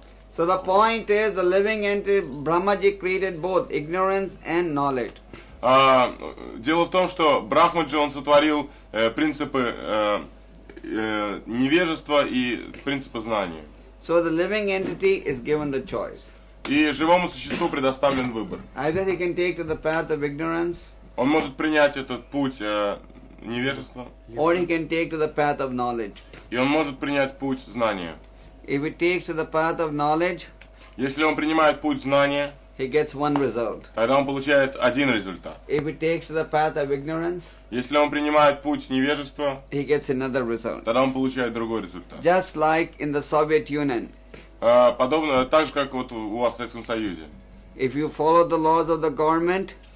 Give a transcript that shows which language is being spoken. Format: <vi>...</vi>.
<en>So the point is, the living entity Brahmaji created both ignorance and knowledge.</en> <ru>Дело в том, что Брахмаджи, он сотворил принципы невежества и принципы знания.</ru> <en>So the living entity is given the choice.</en> <ru>И живому существу предоставлен выбор.</ru> <en>Either he can take to the path of ignorance.</en> <ru>Он может принять этот путь невежества.</ru> <en>Or he can take to the path of knowledge.</en> <ru>И он может принять путь знания.</ru> <en>If he takes to the path of knowledge,</en> <ru>если он принимает путь знания,</ru> <en>he gets one result.</en> <ru>Тогда он получает один результат.</ru> <en>If he takes to the path of ignorance,</en> <ru>если он принимает путь невежества,</ru> <en>he gets another result.</en> <ru>Тогда он получает другой результат.</ru> <en>Just like in the Soviet Union.</en> <ru>Подобно так же, как вот у вас в Советском Союзе.</ru> <en>If you follow the laws of the government,</en>